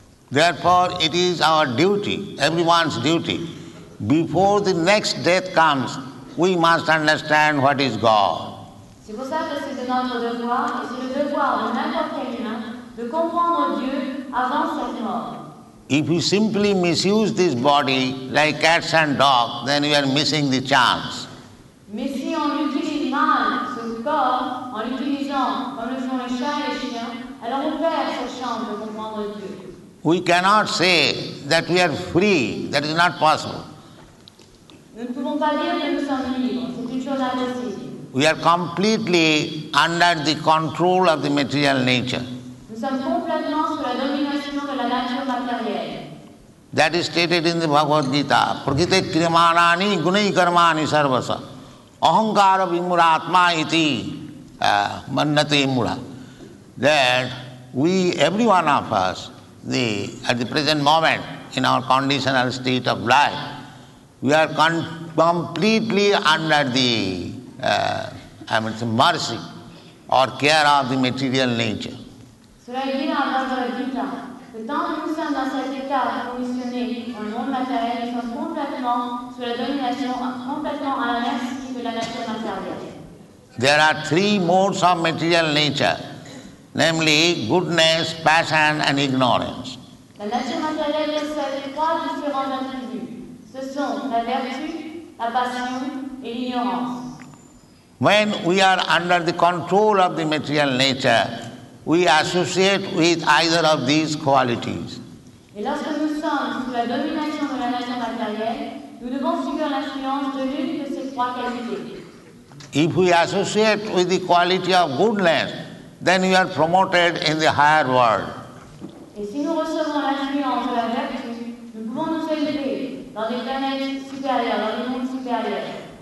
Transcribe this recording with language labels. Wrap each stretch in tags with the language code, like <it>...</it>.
<en>Therefore, it is our duty, everyone's duty, before the next death comes, we must understand what is God.</en> <fr>C'est pour ça que c'est de notre devoir, et c'est le devoir de n'importe quel humain, de comprendre Dieu avant cette mort.</fr> <en>If you simply misuse this body like cats and dogs, then you are missing the chance.</en> <fr>Mais si on utilise mal ce corps, en l'utilisant comme le font les chats et les chiens, alors on perd cette chance de comprendre Dieu.</fr> <en>We cannot say that we are free. That is not possible.</en> <fr>Nous ne pouvons pas dire que nous sommes libres. C'est une chose impossible.</fr> <en>We are completely under the control of the material nature.</en> <fr>Nous sommes complètement sous la domination de la nature matérielle.</fr> <en>That is stated in the Bhagavad Gita.</en> <sa>Prakriti kriyamanani gunai karmani sarvasa. Ahankara vimuratma iti mannate mula.</sa> <en>That we, every one of us, at the present moment, in our conditional state of life, we are completely under the mercy or care of the material nature.</en> <fr>Cela est dit dans la Bhagavad Gita. Le temps que nous sommes dans cet état conditionné dans le monde matériel, nous sommes complètement sous la domination, complètement à la merci de la nature matérielle.</fr> <en>There are three modes of material nature, namely goodness, passion and ignorance.</en> <fr>La nature matérielle possède trois différents attributs. Ce sont la vertu, la passion et l'ignorance.</fr> <en>When we are under the control of the material nature, we associate with either of these qualities.</en> <fr>Et lorsque nous sommes sous la domination de la nature matérielle, nous devons subir l'influence de l'une de ces trois qualités.</fr> <en>If we associate with the quality of goodness, then we are promoted in the higher world.</en> <fr>Et si nous recevons l'influence de la vertu, nous pouvons nous élever dans des planètes supérieures, dans des mondes supérieurs.</fr>